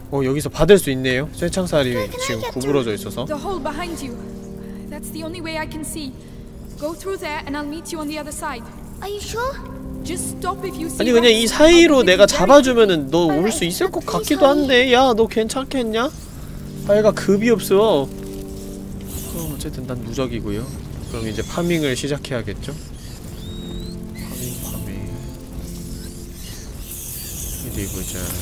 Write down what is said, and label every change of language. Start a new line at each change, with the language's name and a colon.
Korean: 어, 여기서 받을 수 있네요. 쇠창살이 지금 구부러져 있어서.
English: The hole behind you. That's the only way I can see. Go through there and I'll meet you on the other side. Are you sure? Just stop if you see.
Korean: 아니, 그냥 이 사이로 내가 잡아주면은 너 올 수 있을 것 같기도 한데. 야, 너 괜찮겠냐? 아이가 급이 없어. 그럼 어쨌든 난 누적이고요. 그럼 이제 파밍을 시작해야겠죠? 어디 보자.